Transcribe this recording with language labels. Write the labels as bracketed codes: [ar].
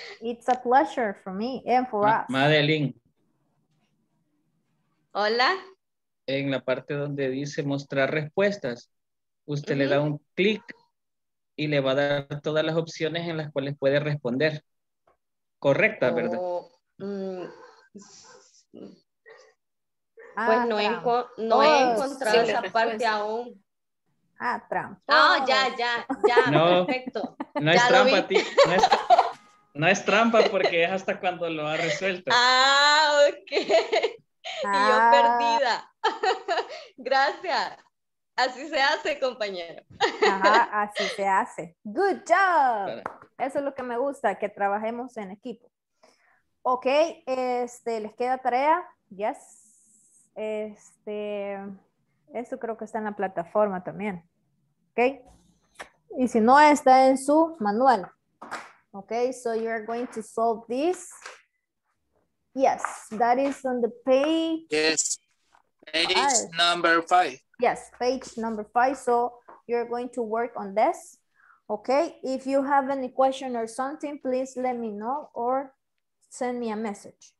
[en] It's a pleasure for me and for us. Madeline. [es] Hola. en la parte donde dice mostrar respuestas, usted le da un clic y le va a dar todas las opciones en las cuales puede responder. Correcta, ¿verdad? Pues no, no he encontrado esa parte aún. Ah, trampa. Ah, ya. No, perfecto. No es trampa, no es trampa porque es hasta cuando lo ha resuelto. Ah, ok. Y yo perdida. Gracias. Así se hace, compañero. Ajá, así se hace. Good job. Eso es lo que me gusta, que trabajemos en equipo. Ok, les queda tarea. Yes. Esto creo que está en la plataforma también. Ok. Y si no, está en su manual. [en] Ok, so you are going to solve this. Yes, that is on the page. Yes, page number five. Yes, page number five. So you're going to work on this. Okay, if you have any question or something, please let me know or send me a message.